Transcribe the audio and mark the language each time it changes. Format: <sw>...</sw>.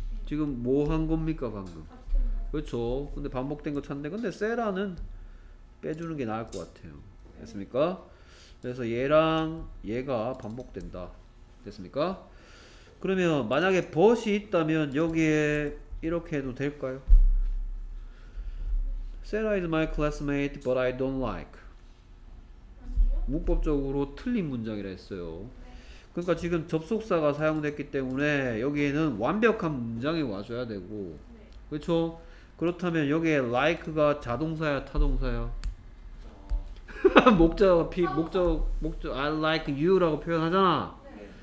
<ko>지금 뭐 한 겁니까 방금? 그쵸? 근데 반복된 거 찾는데, 근데 세라는 빼주는 게 나을 것 같아요. 됐습니까? 그래서 얘랑 얘가 반복된다. 됐습니까? 그러면 만약에 but이 있다면 여기에 이렇게 해도 될까요?</ko> <en>Sarah is my classmate, but I don't like.</en> <ko>문법적으로 틀린 문장이라 했어요. 그러니까 지금 접속사가 사용됐기 때문에 여기에는 완벽한 문장이 와줘야 되고, 그렇죠? 그렇다면 여기에 like가 자동사야 타동사야? 목적</ko> <en>I like you</en> <ko>라고 표현하잖아. 네.</ko>